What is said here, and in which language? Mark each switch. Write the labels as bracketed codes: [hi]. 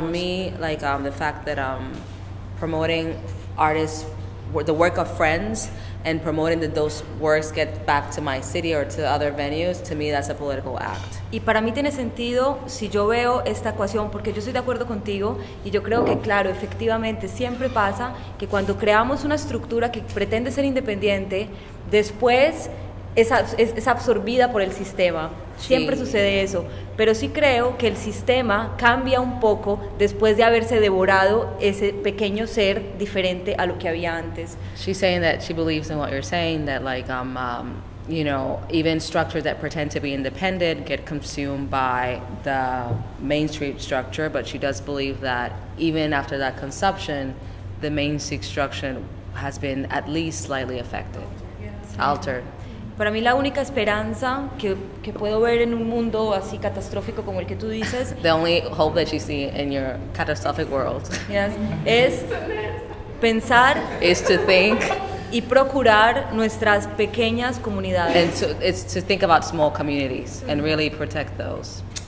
[en] For me, like, the fact that promoting artists, the work of friends, and promoting that those works get back to my city or to other venues, to me that's a political act. [es] Y para mí tiene sentido si yo veo esta ecuación, porque yo estoy de acuerdo contigo, y yo creo que, claro, efectivamente, siempre pasa que cuando creamos una estructura que pretende ser independiente, después es absorbida por el sistema. Siempre sucede eso. Pero sí creo que el sistema cambia un poco después de haberse devorado ese pequeño ser diferente a lo que había antes. [en] She's saying that she believes in what you're saying, that, like, you know, even structures that pretend to be independent get consumed by the mainstream structure, but she does believe that even after that consumption, the mainstream structure has been at least slightly affected, altered. [es] Para mí la única esperanza que puedo ver en un mundo así catastrófico como el que tú dices. [en] The only hope that you see in your catastrophic world. Yes. [es] Es pensar. [en] Is to think. [es] y procurar nuestras pequeñas comunidades. [en] And so it's to think about small communities and really protect those.